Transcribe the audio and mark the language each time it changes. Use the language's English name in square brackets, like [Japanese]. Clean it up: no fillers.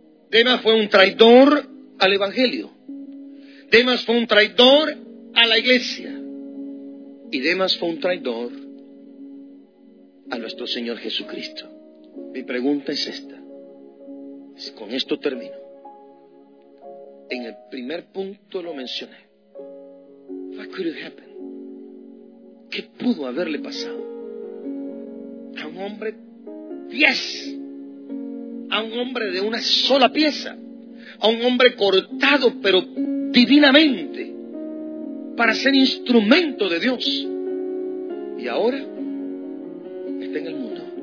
[Spanish] Demas fue un traidor al Evangelio. Demas fue un traidor a la iglesia. Y Demas fue un traidor a nuestro Señor Jesucristo. Mi pregunta es esta. Con esto termino. En el primer punto lo mencioné. [English] What could have happened? [Spanish] ¿Qué pudo haberle pasado a un hombre 10? A un hombre de una sola pieza. A un hombre cortado, pero divinamente, para ser instrumento de Dios, y ahora está en el mundo.